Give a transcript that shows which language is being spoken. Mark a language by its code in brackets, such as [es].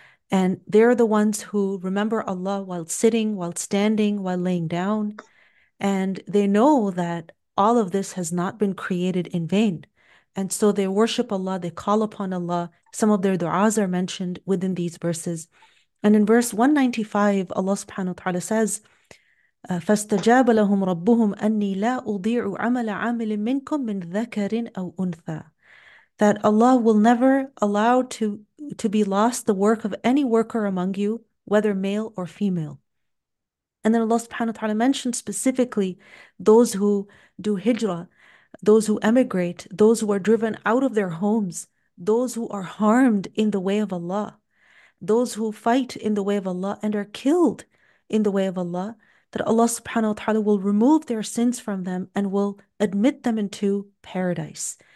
[en] And they're the ones who remember Allah while sitting, while standing, while laying down. And they know that all of this has not been created in vain. And so they worship Allah, they call upon Allah. Some of their du'as are mentioned within these verses. And in verse 195, Allah subhanahu wa ta'ala says, [ar] فَاسْتَجَابَ لَهُمْ رَبُّهُمْ أَنِّي لَا أُضِيعُ عَمَلَ عَامِلٍ مِّنْكُمْ مِّنْ ذَكَرٍ أَوْ أُنْثَى. [en] That Allah will never allow to be lost the work of any worker among you, whether male or female. And then Allah subhanahu wa ta'ala mentions specifically those who do hijrah, those who emigrate, those who are driven out of their homes, those who are harmed in the way of Allah, those who fight in the way of Allah and are killed in the way of Allah, that Allah subhanahu wa ta'ala will remove their sins from them and will admit them into paradise.